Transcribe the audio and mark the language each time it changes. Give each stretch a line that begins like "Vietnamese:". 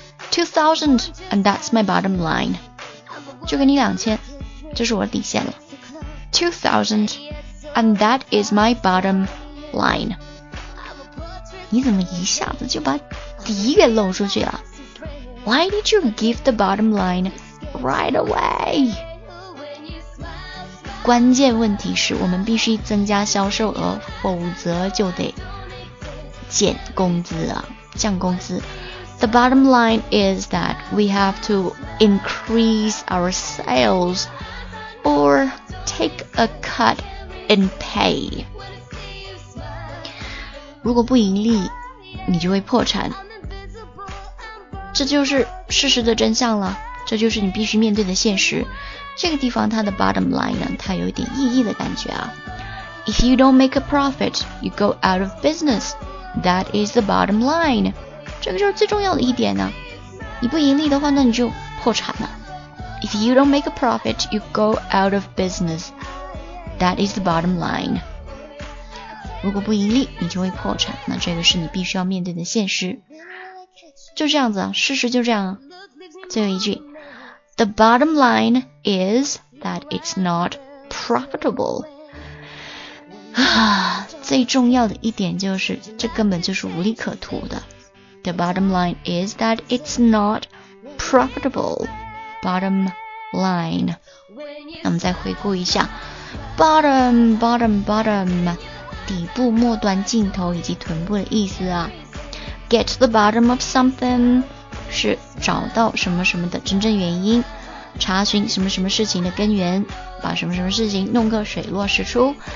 English: 2000, and that's my bottom line.
Chinese: 就给你2000，这是我的底线了。
English: 2000, and that is my bottom line.
Chinese: 你怎么一下子就把底给露出去了？
English: Why did you give the bottom line right away?
Chinese: 关键问题是我们必须增加销售额，否则就得减工资啊，降工资。
English: The bottom line is that we have to increase our sales or take a cut in pay.
Chinese: 如果不盈利，你就会破产。这就是事实的真相了，这就是你必须面对的现实。这个地方它的 bottom line 呢，它有一点意义的感觉啊。
English: If you don't make a profit, you go out of business. That is the bottom line.
Chinese: 这个就是最重要的一点呢，你不盈利的话，那你就破产了。
English: If you don't make a profit, you go out of business. That is the bottom line.
Chinese: 如果不盈利，你就会破产，那这个是你必须要面对的现实。就这样子，事实就这样。最后一句
English: The bottom line is that it's not profitable.
Chinese: 最重要的一点就是这根本就是无利可图的。
English: The bottom line is that it's not profitable.
Chinese: Bottom line. 那我们再回顾一下 bottom, bottom, bottom, 底部、末端、尽头以及臀部的意思啊。
English: Get the bottom of something
Chinese: 是找到什么什么的真正原因，查询什么什么事情的根源，把什么什么事情弄个水落石出。